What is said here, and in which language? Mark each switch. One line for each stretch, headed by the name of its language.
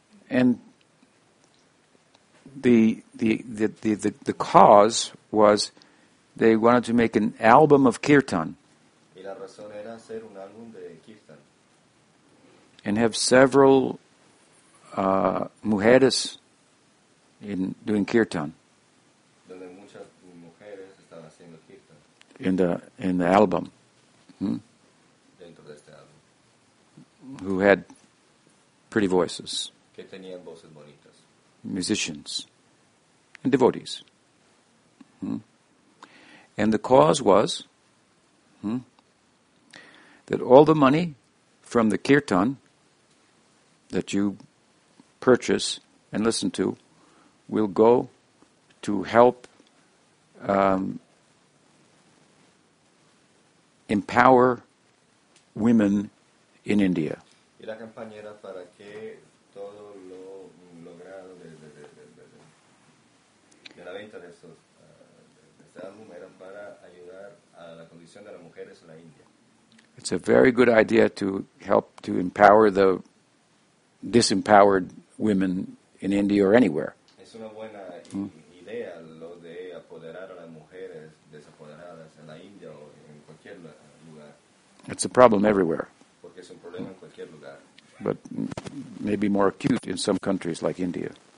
English: And the cause was they wanted to make an album of kirtan.
Spanish: Y la razón era hacer un álbum de kirtan.
English: And have several
Spanish: mujeres
English: in doing kirtan.
Spanish: Donde muchas mujeres estaban haciendo kirtan.
English: In the album.
Spanish: Dentro de este álbum.
English: Who had pretty voices.
Spanish: Que tenían voces bonitas.
English: Musicians. And devotees. And the cause was that all the money from the kirtan that you purchase and listen to will go to help empower women in India.
Spanish: Y la campaña era para que todo lo logrado de la venta de este álbum era para ayudar a la condición de las mujeres en la India.
English: It's a very good idea to help to empower the disempowered women in India or anywhere.
Spanish: Es una buena idea lo de apoderar a las mujeres desapoderadas en la India o en cualquier lugar.
English: It's a problem everywhere.
Spanish: Porque es un problema en cualquier lugar.
English: But maybe more acute in some countries like India.